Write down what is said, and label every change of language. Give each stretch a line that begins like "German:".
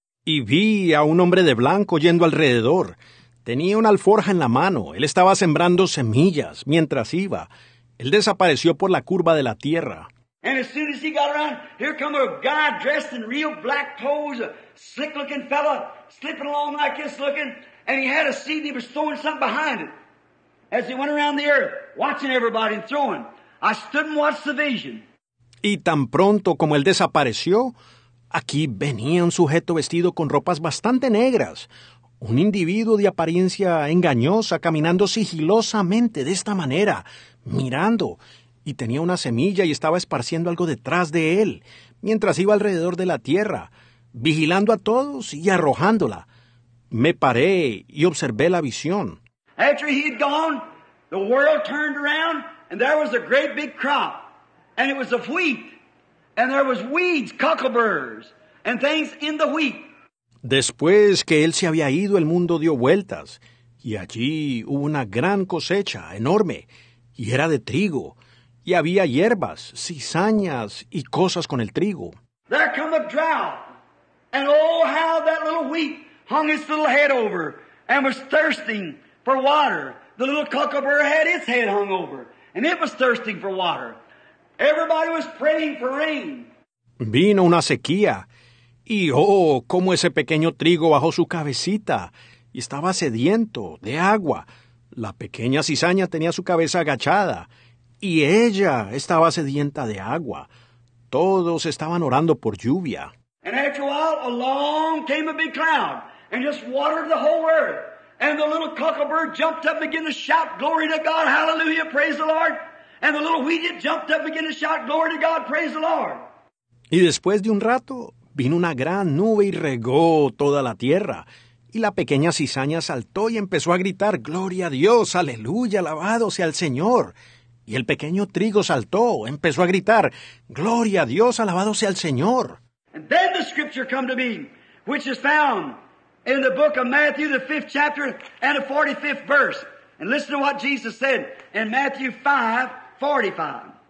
Spanish: Y vi a un hombre de blanco yendo alrededor. Tenía una alforja en la mano. Él estaba sembrando semillas mientras iba. Él desapareció por la curva de la tierra.
English: And as soon as he got around, here come a guy dressed in real black clothes, a slick-looking fella, slipping along like this looking, and he had a seed and he was sowing something behind it. As he went around the earth, watching everybody and throwing, I stood and watched the vision.
Spanish: Y tan pronto como él desapareció, aquí venía un sujeto vestido con ropas bastante negras, un individuo de apariencia engañosa caminando sigilosamente de esta manera, mirando, y tenía una semilla y estaba esparciendo algo detrás de él, mientras iba alrededor de la tierra, vigilando a todos y arrojándola. Me paré y observé la visión.
English: After he had gone, the world turned around, and there was a great big crop, and it was of wheat, and there was weeds, cuckleburs, and things in the wheat.
Spanish: Después que él se había ido, el mundo dio vueltas, y allí hubo una gran cosecha enorme, y era de trigo, y había hierbas, cizañas, y cosas con el trigo.
English: There come a drought, and oh, how that little wheat hung its little head over, and was thirsting. For water, the little cuckleburr had its head hung over, and it was thirsting for water. Everybody was praying for rain.
Spanish: Vino una sequía, y oh, cómo ese pequeño trigo bajó su cabecita, y estaba sediento de agua. La pequeña cizaña tenía su cabeza agachada, y ella estaba sedienta de agua. Todos estaban orando por lluvia.
English: And after a while, along came a big cloud, and just watered the whole earth. And the little cucklebird jumped up and began to shout, glory to God, hallelujah, praise the Lord. And the little wheat jumped up and began to shout, glory to God, praise the Lord.
Spanish: Y después de un rato, vino una gran nube y regó toda la tierra. Y la pequeña cizaña saltó y empezó a gritar, gloria a Dios, aleluya, alabado sea el Señor. Y el pequeño trigo saltó, empezó a gritar, gloria a Dios, alabado sea el Señor.
English: And then the scripture come to me, which is found... In the book of Matthew, the 5th chapter and the 45th verse. And listen to what Jesus said in Matthew 5, 45.